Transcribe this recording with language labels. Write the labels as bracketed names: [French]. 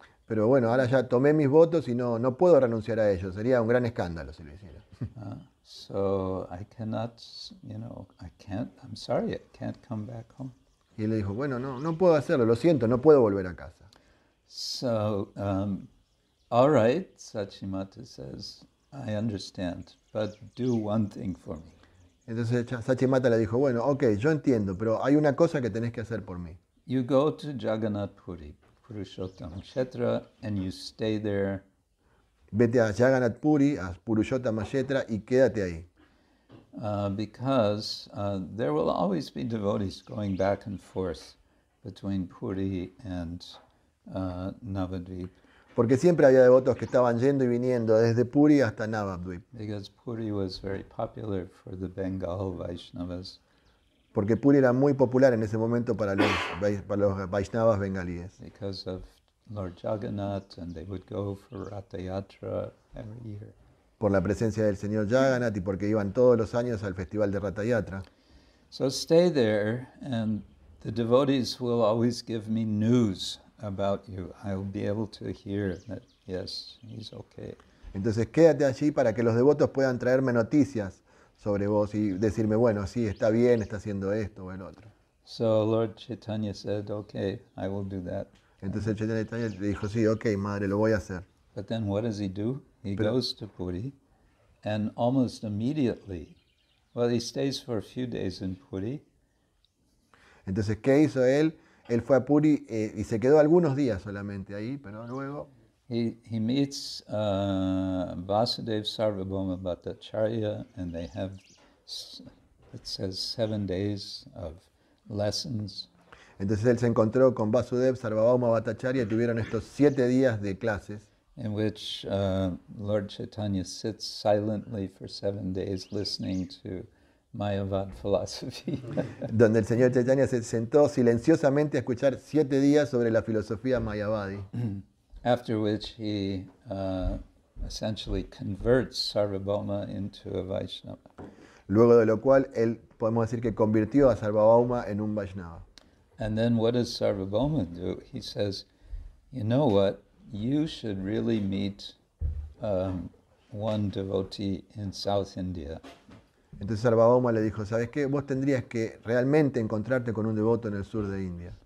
[Spanish] Pero bueno, ahora ya tomé mis votos y no puedo renunciar a ellos. Sería un gran escándalo si lo hiciera. [English] So I cannot, you know, I can't, I'm sorry, I can't come back home. [Spanish] Y él le dijo, bueno, no puedo hacerlo, lo siento, no puedo volver a casa. [English] So, all right, Sachimata says, I understand, but do one thing for me. [Spanish] Entonces Sachimata le dijo, bueno, okay, yo entiendo, pero hay una cosa que tenés que hacer por mí. [English] You go to Jagannath Puri, Purushottam Kshetra, and you stay there. [Spanish] Vete a Jagannath Puri, a Purushottam Kshetra, y quédate ahí. [English] Because there will always be devotees going back and forth between Puri and Navadvip. [Spanish] Porque siempre había devotos que estaban yendo y viniendo desde Puri hasta Navadvip. [English] Because Puri was very popular for the Bengal Vaishnavas. [Spanish] Porque Puri era muy popular en ese momento para los Vaishnavas bengalíes. [English] Because of Lord Jagannath, and they would go for Ratha Yatra every year. [Spanish] Por la presencia del señor Jagannath y porque iban todos los años al festival de Ratha Yatra. [English] So stay there, and the devotees will always give me news about you. I'll be able to hear that yes, he's okay. [Spanish] Entonces quédate allí para que los devotos puedan traerme noticias sobre vos y decirme, bueno, sí, está bien, está haciendo esto o el otro. [English] So Lord Chaitanya said, okay, I will do that. [Spanish] Entonces Chaitanya le dijo, sí, okay, madre, lo voy a hacer. [English] But then what does he do? He goes to Puri, and almost immediately, well, he stays for a few days in Puri. [Spanish] Entonces, ¿qué hizo él? Él fue a Puri y se quedó algunos días solamente ahí, pero luego... [English] He meets Vasudev Sarvabhauma Bhattacharya, and they have, it says, 7 days of lessons. [Spanish] Entonces él se encontró con Vasudev Sarvabhauma Bhattacharya y tuvieron estos 7 días de clases. [English] In which Lord Chaitanya sits silently for 7 days listening to Mayavad philosophy. [Spanish] Donde el señor Chaitanya se sentó silenciosamente a escuchar 7 días sobre la filosofía mayavadi. [English] After which he essentially converts Sarvabhauma into a Vaishnava. [Spanish] Luego de lo cual él podemos decir que convirtió a Sarvabhauma en un Vaishnava. [English] And then what does Sarvabhauma do? He says, "You know what? You should really meet one devotee in South India." [Spanish] Entonces Sarvabhauma le dijo, ¿sabes qué? Vos tendrías que realmente encontrarte con un devoto en el sur de India.